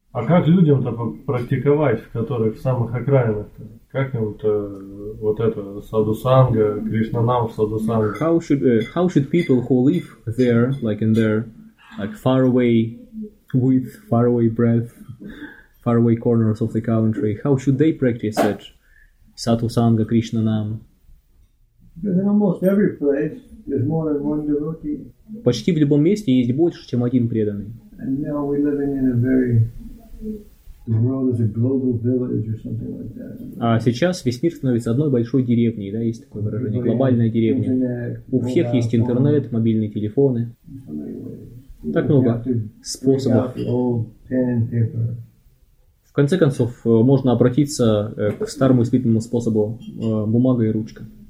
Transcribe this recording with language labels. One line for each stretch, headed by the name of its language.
Russian: А как людям-то практиковать, в которых, в самых окраинах-то? Как им-то вот это, садусанга, кришнанам садусанга?
English: How should people who live there, like in there, like far away with far away breath, far away corners of the country, how should they practice such satusanga, krishnanam? Because in almost every place there's more than one devotee.
Russian: Почти в любом месте есть больше, чем один преданный.
English: And now we're living in a very, the world is a global village or something like that.
Russian: А сейчас весь мир становится одной большой деревней, да, есть такое выражение, глобальная деревня. У всех есть интернет, мобильные телефоны. Так много способов. В конце концов, можно обратиться к старому испытанному способу бумага и ручка.